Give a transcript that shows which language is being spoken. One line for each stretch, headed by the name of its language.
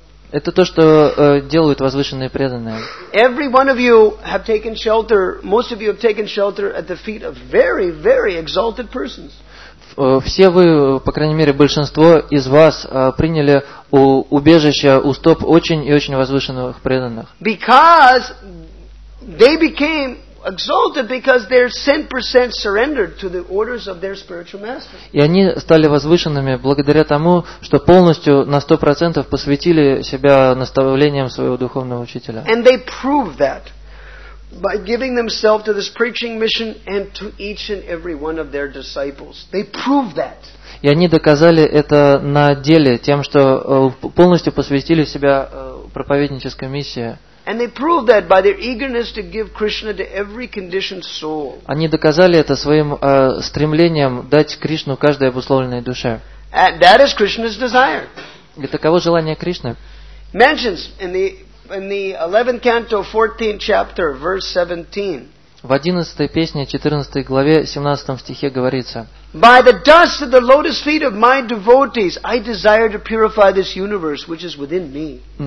Russian: Это то, что делают возвышенные преданные.
English: Every one of you have taken shelter, most of you have taken shelter at the feet of very, very exalted persons.
Russian: Все вы, по крайней мере, большинство из вас приняли убежище у стоп очень и очень возвышенных преданных.
English: Because they became exalted because they're 100% surrendered to the orders of their spiritual master.
Russian: И они стали возвышенными благодаря тому, что полностью на 100% посвятили себя наставлениям своего духовного учителя.
English: And they prove that by giving themselves to this preaching mission and to each and every one of their disciples. They prove that.
Russian: И они доказали это на деле тем, что полностью посвятили себя проповеднической миссии.
English: And they proved that by their eagerness to give Krishna to every conditioned soul.
Russian: Они доказали это своим стремлением дать Кришну каждой обусловленной душе.
English: And that is Krishna's desire.
Russian: И таково желание Кришны.
English: Mentions in the 11th canto, 14th chapter, verse 17.
Russian: В 11-й песне, 14-й главе, 17-м стихе говорится:
English: By the dust of the lotus feet of my devotees, I desire to purify this universe which is within me.